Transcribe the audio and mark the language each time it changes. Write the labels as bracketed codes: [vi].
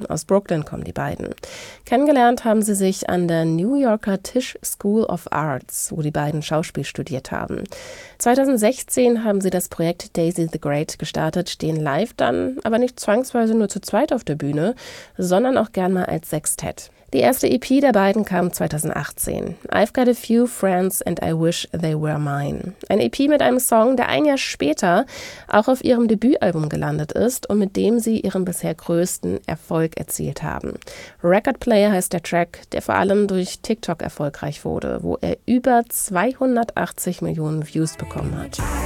[de] Aus Brooklyn kommen die beiden. Kennengelernt haben sie sich an der New Yorker Tisch School of Arts, wo die beiden Schauspiel studiert haben. 2016 haben sie das Projekt Daisy the Great gestartet, stehen live dann aber nicht zwangsweise nur zu zweit auf der Bühne, sondern auch gern mal als Sextett. Die erste EP der beiden kam 2018. [en] I've got a few friends and I wish they were mine. [de] Ein EP mit einem Song, der ein Jahr später auch auf ihrem Debütalbum gelandet ist und mit dem sie ihren bisher größten Erfolg erzielt haben. Record Player heißt der Track, der vor allem durch TikTok erfolgreich wurde, wo er über 280 Millionen Views bekommen hat.